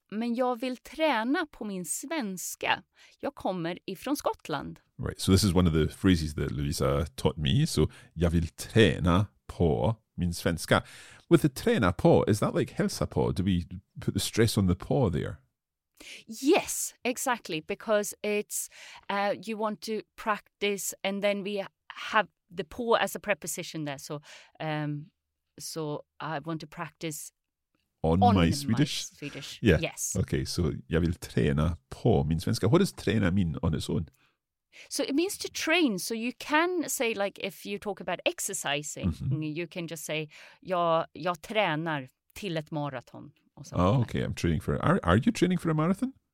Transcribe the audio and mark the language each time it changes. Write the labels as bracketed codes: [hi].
[sv] Men jag vill träna på min svenska. Jag kommer ifrån Skottland. [en] Right, so this is one of the phrases that Lovisa taught me. [sv] So, jag vill träna på min svenska. [en] With the träna på, is that like hälsa på? Do we put the stress on the på there? Yes, exactly. Because it's, you want to practice and then we have the på as a preposition there. So, so I want to practice On my Swedish. Yeah. Yes. Okay, so jag vill träna på min svenska. What does träna mean on its own? So it means to train. So you can say, like, if you talk about exercising, you can just say, [sv] jag tränar, T till ett maraton. [en] Oh, okay. I'm training for. Are you training for a marathon?